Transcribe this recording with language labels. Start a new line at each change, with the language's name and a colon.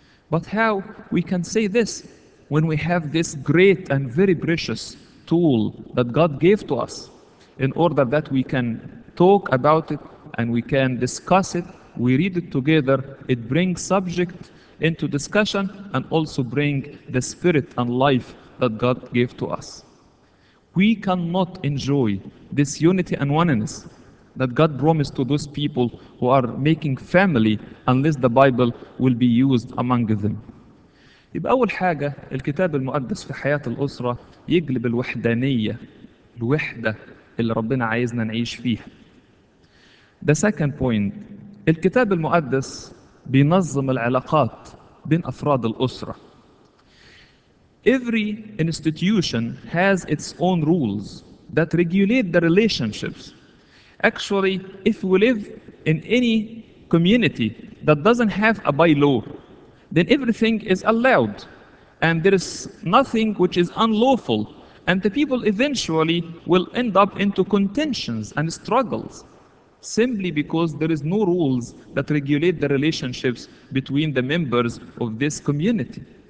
English: But how we can say this when we have this great and very precious tool that God gave to us in order that we can talk about it and we can discuss it, we read it together, it brings subject into discussion and also bring the spirit and life that God gave to us. We cannot enjoy this unity and oneness that God promised to those people who are making family unless the Bible will be used among them.
Arabic: يبقى أول حاجة الكتاب المقدس في حياة الأسرة يجلب الوحدانية، الوحدة اللي ربنا عايزنا نعيش فيها.
English: The second point,
Arabic: الكتاب المقدس بينظم العلاقات بين أفراد الأسرة.
English: Every institution has its own rules that regulate the relationships. Actually, if we live in any community that doesn't have a bylaw, then everything is allowed, and there is nothing which is unlawful, and the people eventually will end up into contentions and struggles, simply because there is no rules that regulate the relationships between the members of this community.